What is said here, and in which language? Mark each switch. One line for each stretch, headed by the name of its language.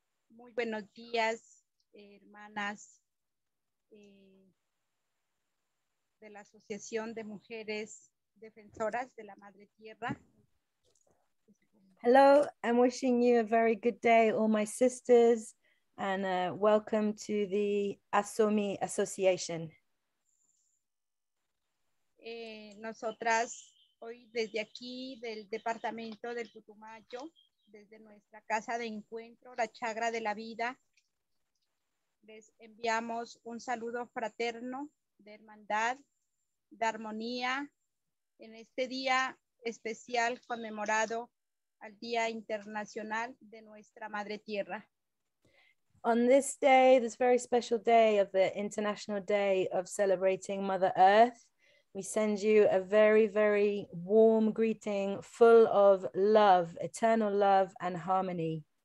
Spanish: Muy buenos días, hermanas de la Asociación de Mujeres Defensoras de la Madre Tierra.
English: Hello, I'm wishing you a very good day, all my sisters, and welcome to the ASOMI Association.
Spanish: Nosotras hoy desde aquí, del departamento del Putumayo, desde nuestra casa de encuentro, la chagra de la vida, les enviamos un saludo fraterno de hermandad, de armonía, en este día especial conmemorado al Día Internacional de Nuestra Madre Tierra.
English: On this day, this very special day of the International Day of Celebrating Mother Earth, we send you a very, very warm greeting full of love, eternal love and harmony.